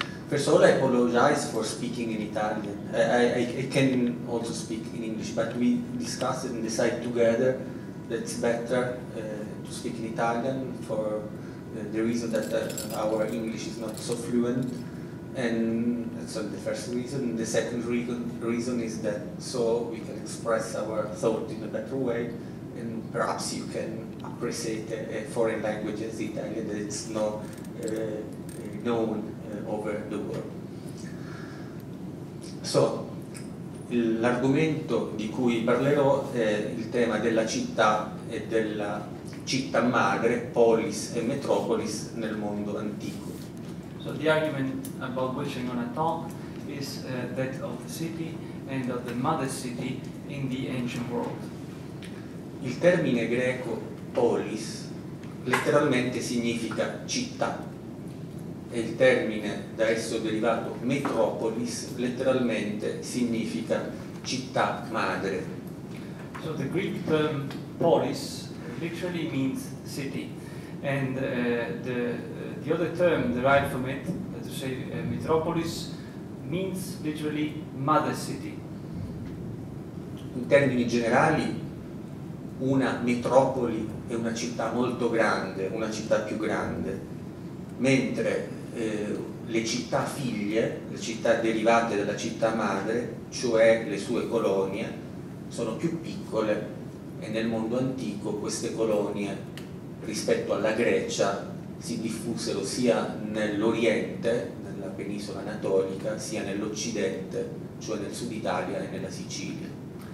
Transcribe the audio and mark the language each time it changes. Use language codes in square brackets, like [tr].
[en] First of all, I apologize for speaking in Italian. I can also speak in English, but we discussed and decided together that it's better to speak in Italian for the reason that our English is not so fluent, and that's not the first reason. The second reason is that so we can express our thought in a better way, and perhaps you can appreciate a foreign language as Italian that it's not known over the world. [it] So, l'argomento di cui parlerò è il tema della città e della città madre, polis e metropolis nel mondo antico. [en] So the argument about which I'm going to talk is that of the city and of the mother city in the ancient world. [it] Il termine greco polis letteralmente significa città, e il termine da esso derivato metropolis letteralmente significa città madre. [en] So the Greek term polis literally means city, and the other term derived from it, to say metropolis, means literally mother city. [it] In termini generali, una metropoli è una città molto grande, una città più grande, mentre le città figlie, le città derivate dalla città madre, cioè le sue colonie, sono più piccole, e nel mondo antico queste colonie, rispetto alla Grecia, si diffusero sia nell'Oriente, nella penisola anatolica, sia nell'Occidente, cioè nel Sud Italia e nella Sicilia.